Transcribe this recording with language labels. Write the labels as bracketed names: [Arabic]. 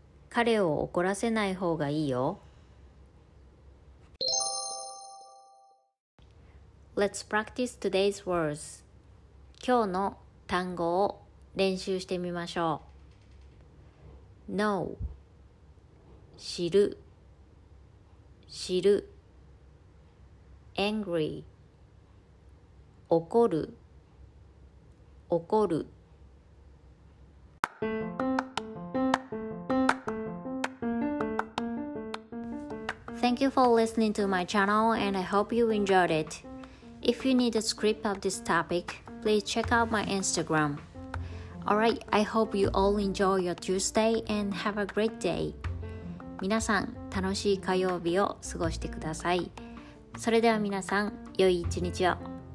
[Japanese] 彼を怒らせない方がいいよ。 [English] Let's practice today's words. [Japanese] 今日の単語を練習してみましょう。 [English] Know [Japanese] 知る知る [English] Angry [Japanese] 怒る怒る [English] Thank you for listening to my channel and I hope you enjoyed it. If you need a script of this topic, please check out my Instagram. Alright, I hope you all enjoy your Tuesday and have a great day. [Japanese] 皆さん、楽しい火曜日を過ごしてください。それでは皆さん、良い一日を。